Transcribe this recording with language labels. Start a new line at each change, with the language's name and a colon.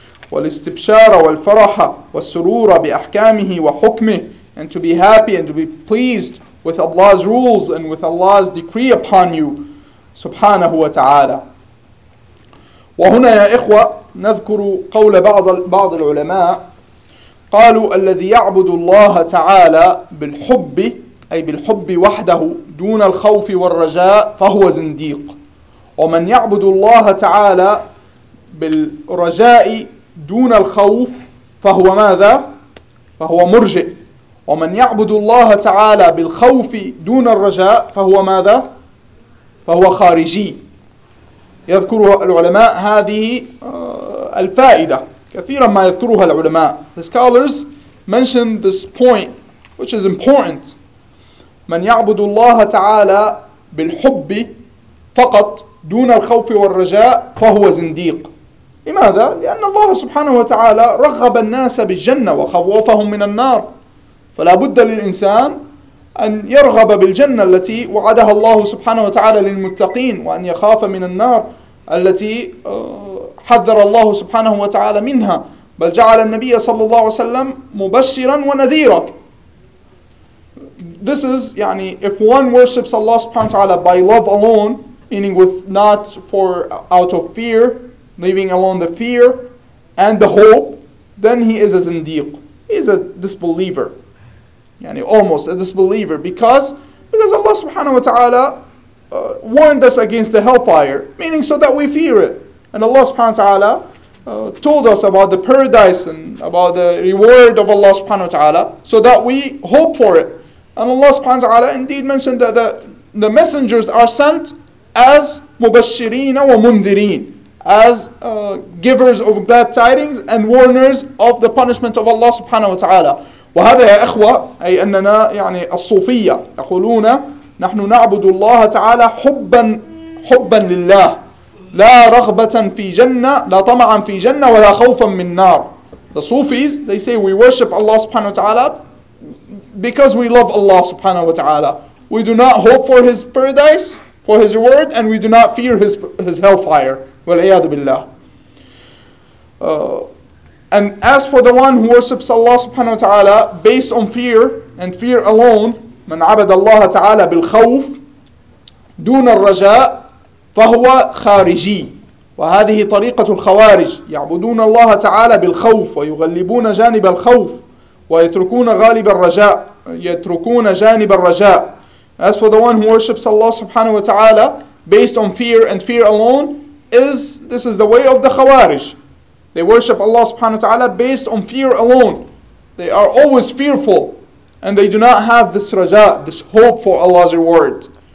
Arabic: والاستبشار والفرح والسرور بأحكامه وحكمه,
English: and to be happy and to be pleased with Allah's rules and with Allah's decree upon you subhanahu wa ta'ala.
Arabic: وهنا يا إخوة نذكر قول بعض العلماء قالوا الذي يعبد الله تعالى بالحب أي بالحب وحده دون الخوف والرجاء فهو زنديق, ومن يعبد الله تعالى بالرجاء دون الخوف فهو ماذا؟ فهو مرجئ. ومن يعبد الله تعالى بالخوف دون الرجاء فهو ماذا؟ فهو خارجي. يذكر العلماء هذه الفائدة. كثيرا ما يذكرها العلماء.
English: The scholars mention this point, which is important.
Arabic: من يعبد الله تعالى بالحب فقط دون الخوف والرجاء فهو زنديق. لماذا؟ لأن الله سبحانه وتعالى رغب الناس بالجنة وخوفهم من النار, فلا بد للإنسان أن يرغب بالجنة التي وعدها الله سبحانه وتعالى للمتقين, وأن يخاف من النار التي حذر الله سبحانه وتعالى منها, بل جعل النبي صلى الله عليه وسلم مبشرا ونذيرا.
English: This is يعني if one worships Allah سبحانه وتعالى by love alone, meaning with not for out of fear, leaving alone the fear and the hope, then he is a zindiq. He is a disbeliever. Yani almost a disbeliever. Because Allah subhanahu wa ta'ala warned us against the hellfire, meaning so that we fear it. And Allah subhanahu wa ta'ala told us about the paradise and about the reward of Allah subhanahu wa ta'ala, so that we hope for it. And Allah subhanahu wa ta'ala indeed mentioned that the messengers are sent as mubashirina wa mundirin, as givers of bad tidings and warners of the punishment of Allah subhanahu wa ta'ala.
Arabic: وهذا يا إخوة أي أننا يعني الصوفية يقولون نحن نعبد الله تعالى حبا لله, لا رغبة في جنة, لا طمعا في جنة ولا خوفا من نار.
English: The Sufis, they say we worship Allah subhanahu wa ta'ala because we love Allah subhanahu wa ta'ala. We do not hope for His paradise, for His reward, and we do not fear His hellfire.
Arabic: وَالْعِيَادُ بِاللَّهِ.
English: And as for the one who worships Allah subhanahu wa ta'ala based on fear and fear alone,
Arabic: مَنْ عَبَدَ اللَّهَ تَعَالَى بِالْخَوْفِ دُونَ الرَّجَاءِ فَهُوَ خَارِجِي. وهذه طريقة الخوارج, يعبدون الله تعالى بالخوف ويغلبون جانب الخوف ويتركون غالب الرجاء, يتركون جانب الرجاء.
English: As for the one who worships Allah subhanahu wa ta'ala based on fear and fear alone, This is the way of the Khawarij. They worship Allah subhanahu wa ta'ala based on fear alone. They are always fearful and they do not have this raja, this hope for Allah's reward.